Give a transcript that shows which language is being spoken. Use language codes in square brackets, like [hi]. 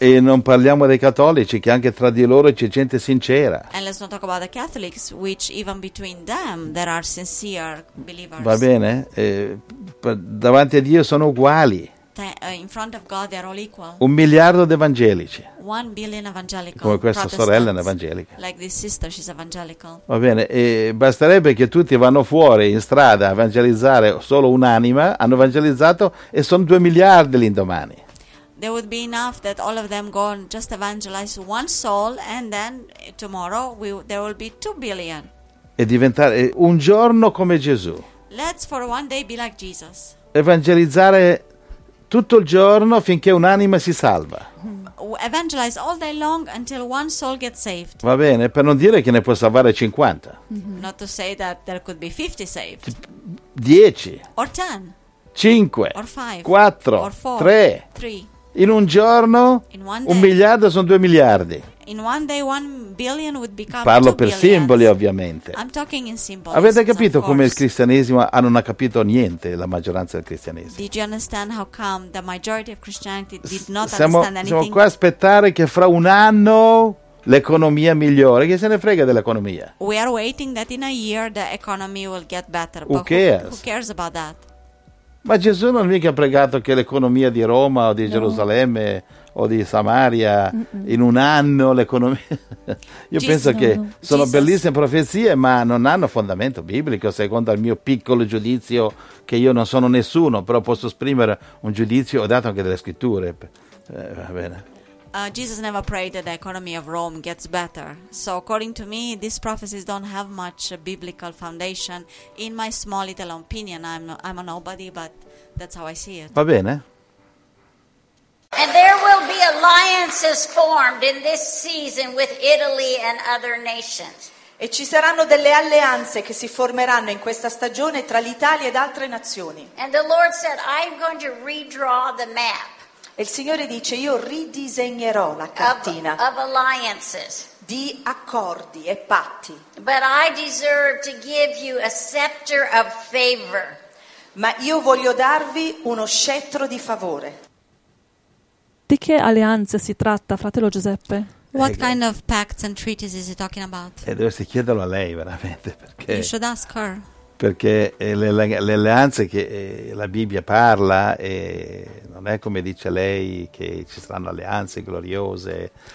[it] E non parliamo dei cattolici, che anche tra di loro c'è gente sincera. [en] And let's not talk about the Catholics, which even between them there are sincere believers. [it] Va bene, davanti a Dio sono uguali. [en] In front of God, they are all equal. [it] 1 miliardo di evangelici. [en] 1 billion evangelical. [it] Come questa sorella è evangelica. [en] Like this sister, she's evangelical. [it] Va bene, e basterebbe che tutti vanno fuori in strada a evangelizzare solo un'anima, hanno evangelizzato e sono 2 miliardi l'indomani. [en] There would be enough that all of them go and just evangelize one soul, and then tomorrow there will be 2 billion. [it] E diventare un giorno come Gesù. [en] Let's for one day be like Jesus. [it] Evangelizzare tutto il giorno finché un'anima si salva. [en] Evangelize all day long until one soul gets saved. [it] Va bene, per non dire che ne può salvare 50. [en] Not to say that there could be 50 saved. 10. Or 10. 5. Or 5. 4. Or 4. 3. 3. [it] In un giorno, [en] in one day, [it] un miliardo sono 2 miliardi. [en] In one day, one billion would become [it] Parlo [en] two [it] per [en] billions. [it] Simboli, ovviamente. [en] I'm talking in symbols. [it] Avete capito come il cristianesimo non ha capito niente, la maggioranza del cristianesimo? [en] Did you understand how come the majority of Christianity did not understand anything? [it] Siamo qua a aspettare che fra un anno l'economia migliore, chi se ne frega dell'economia? [en] We are waiting that in a year the economy will get better. Who cares? Who cares about that? [it] Ma Gesù non mica ha pregato che l'economia di Roma o di Gerusalemme o di Samaria in un anno l'economia... Io penso che sono bellissime profezie, ma non hanno fondamento biblico, secondo il mio piccolo giudizio, che io non sono nessuno, però posso esprimere un giudizio, ho dato anche delle scritture, va bene. [en] Jesus never prayed that the economy of Rome gets better. So according to me, these prophecies don't have much biblical foundation. In my small little opinion, I'm a nobody, but that's how I see it. [it] Va bene. [en] And there will be alliances formed in this season with Italy and other nations. [it] E ci saranno delle alleanze che si formeranno in questa stagione tra l'Italia ed altre nazioni. [en] And the Lord said, I'm going to redraw the map. [it] E il Signore dice, io ridisegnerò la cartina [en] of [it] di accordi e patti. [en] But I deserve to give you a scepter of favor. [it] Ma io voglio darvi uno scettro di favore. Di che alleanze si tratta, fratello Giuseppe? [en] What kind of pacts and treaties is he talking about? [it] Dovresti chiederlo a lei, veramente, perché... [en] You should ask her. [it] Perché le alleanze che la Bibbia parla, non è come dice lei che ci saranno alleanze gloriose.